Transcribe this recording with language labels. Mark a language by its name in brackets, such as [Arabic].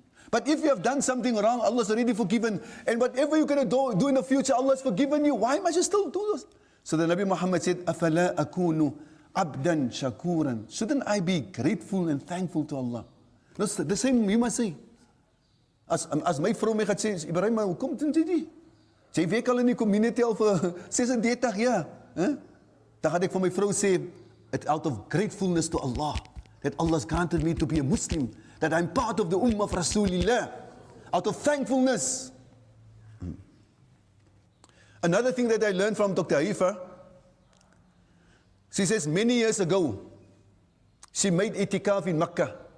[English] But if you have done something wrong, Allah has already forgiven. And whatever you're going to do in the future, Allah has forgiven you. Why must you still do this? So the Nabi Muhammad said, [Arabic] أَفَلَا أَكُونُ عَبْدًا شَكُورًا. [English] Shouldn't I be grateful and thankful to Allah? That's the same you must say. [Afrikaans] As my vrou my gaat sê, Ibrahim, hoe kom dit nie? Jy werk al in die community al vir 36 jaar. Dan gaat ek vir my vrou sê, [English] it's out of gratefulness to Allah, that Allah has granted me to be a Muslim, that I'm part of the Ummah of Rasulullah, out of thankfulness. Another thing that I learned from Dr. Haifa, she says many years ago, she made itikaf in Makkah.